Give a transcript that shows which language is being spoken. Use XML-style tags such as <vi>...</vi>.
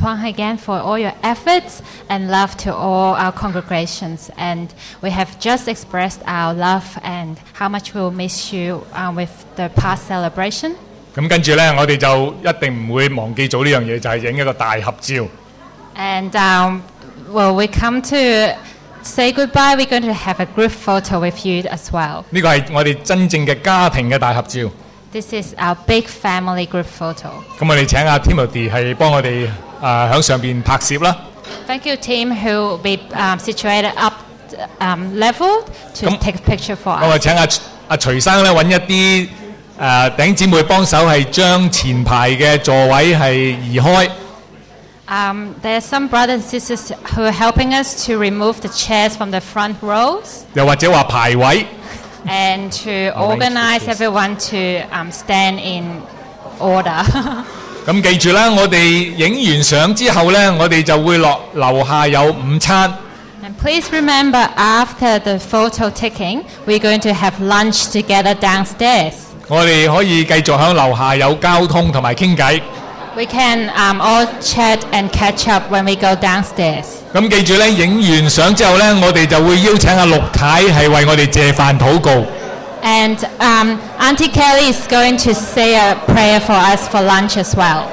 <en>Huang again for all your efforts and love to all our congregations. And we have just expressed our love and how much we'll miss you with the past celebration.</en> <yue>咁跟住咧，我哋就一定唔會忘記做呢樣嘢，就係影一個大合照。</yue> <en>And well, we come to say goodbye. We're going to have a group photo with you as well.</en> <yue>呢個係我哋真正嘅家庭嘅大合照。</yue> <en>This is our big family group photo.</en> <yue>咁我哋請阿 Timothy 係幫我哋喺上邊拍攝啦。</yue> <en>Thank you, Tim, who will be situated up level to take a picture for us.</en> <yue>咁我請阿徐生咧揾一啲。弟兄姊妹幫手係將前排嘅座位係移開。</yue> <en>There are some brothers and sisters who are helping us to remove the chairs from the front rows.</en> <yue>又或者話排位。</yue> <en>And to organize everyone to stand in order.</en> <yue>咁記住啦，我哋影完相之後咧，我哋就會落樓下有午餐。</yue> <en>And please remember, after the photo taking, we're going to have lunch together downstairs.</en> <yue>我哋可以繼續喺樓下有交通同埋傾偈。</yue> <en>We can all chat and catch up when we go downstairs。</en> <yue>咁記住咧，影完相之後咧，我哋就會邀請阿陸太係為我哋謝飯禱告。</yue> <en>And Auntie Kelly is going to say a prayer for us for lunch as well.</en>